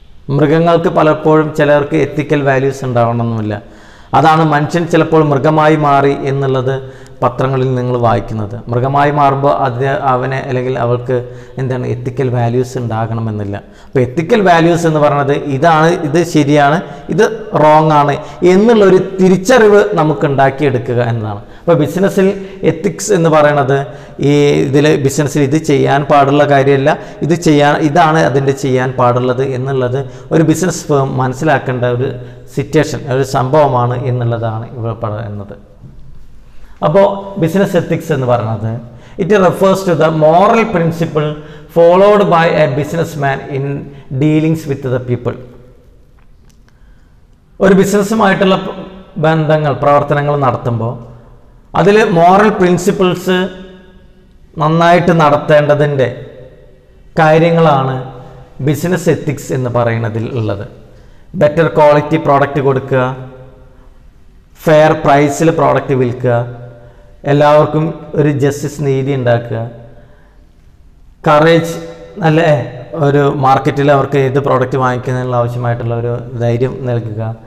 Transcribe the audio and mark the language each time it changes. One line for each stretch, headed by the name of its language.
Malayalam: മൃഗങ്ങൾക്ക് പലപ്പോഴും ചിലർക്ക് എത്തിക്കൽ വാല്യൂസ് ഉണ്ടാവണമെന്നില്ല അതാണ് മനുഷ്യൻ ചിലപ്പോൾ മൃഗമായി മാറി എന്നുള്ളത് പത്രങ്ങളിൽ നിങ്ങൾ വായിക്കുന്നത് മൃഗമായി മാറുമ്പോൾ അത് അവനെ അല്ലെങ്കിൽ അവൾക്ക് എന്താണ് എത്തിക്കൽ വാല്യൂസ് ഉണ്ടാകണമെന്നില്ല അപ്പോൾ എത്തിക്കൽ വാല്യൂസ് എന്ന് പറയുന്നത് ഇതാണ് ഇത് ശരിയാണ് ഇത് റോങ് ആണ് എന്നുള്ളൊരു തിരിച്ചറിവ് നമുക്ക് ഉണ്ടാക്കിയെടുക്കുക എന്നതാണ് അപ്പോൾ ബിസിനസ്സിൽ എത്തിക്സ് എന്ന് പറയുന്നത് ഈ ഇതിൽ ബിസിനസ്സിൽ ഇത് ചെയ്യാൻ പാടുള്ള കാര്യമല്ല ഇത് ചെയ്യാൻ ഇതാണ് അതിൻ്റെ ചെയ്യാൻ പാടുള്ളത് എന്നുള്ളത് ഒരു ബിസിനസ് ഫേം മനസ്സിലാക്കേണ്ട ഒരു സിറ്റുവേഷൻ ഒരു സംഭവമാണ് എന്നുള്ളതാണ് ഇവിടെ പറയുന്നത് അപ്പോൾ ബിസിനസ് എത്തിക്സ് എന്ന് പറയുന്നത്
English: It refers to the moral principle followed by a businessman in dealings with the people.
Malayalam: ഒരു ബിസിനസ്സുമായിട്ടുള്ള ബന്ധങ്ങൾ പ്രവർത്തനങ്ങൾ നടത്തുമ്പോൾ അതിൽ മോറൽ പ്രിൻസിപ്പിൾസ് നന്നായിട്ട് നടത്തേണ്ടതിൻ്റെ കാര്യങ്ങളാണ് ബിസിനസ് എത്തിക്സ് എന്ന് പറയുന്നതിൽ ഉള്ളത്. ബെറ്റർ ക്വാളിറ്റി പ്രോഡക്റ്റ് കൊടുക്കുക, ഫെയർ പ്രൈസിൽ പ്രോഡക്റ്റ് വിൽക്കുക, എല്ലാവർക്കും ഒരു ജസ്റ്റിസ് നീതി ഉണ്ടാക്കുക, കറേജ് നല്ല ഒരു മാർക്കറ്റിൽ അവർക്ക് ഏത് പ്രോഡക്റ്റ് വാങ്ങിക്കുന്നതിനുള്ള ആവശ്യമായിട്ടുള്ള ഒരു ധൈര്യം നൽകുക.